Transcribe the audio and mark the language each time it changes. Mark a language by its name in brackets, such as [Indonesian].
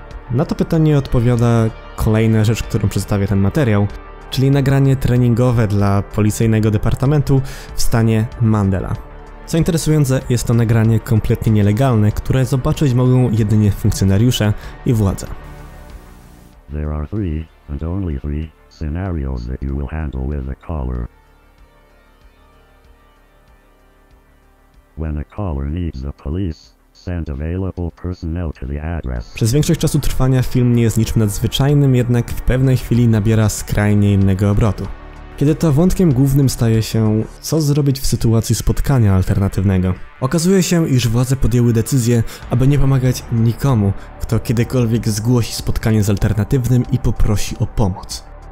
[Polish] Na to pytanie odpowiada kolejna rzecz, którą przedstawia ten materiał, czyli nagranie treningowe dla policyjnego departamentu w stanie Mandela. Co interesujące, jest to nagranie kompletnie nielegalne, które zobaczyć mogą jedynie funkcjonariusze i władze. [English] There are three, and only three, scenarios that you will handle with a caller. When a caller needs the police, send available personnel to the address. [Polish] Przez większość czasu trwania film nie jest niczym nadzwyczajnym, jednak w pewnej chwili nabiera skrajnie innego obrotu. Kiedy to wątkiem głównym staje się, co zrobić w sytuacji spotkania alternatywnego. Okazuje się, iż władze podjęły decyzję, aby nie pomagać nikomu, kto kiedykolwiek zgłosi spotkanie z alternatywnym i poprosi o pomoc.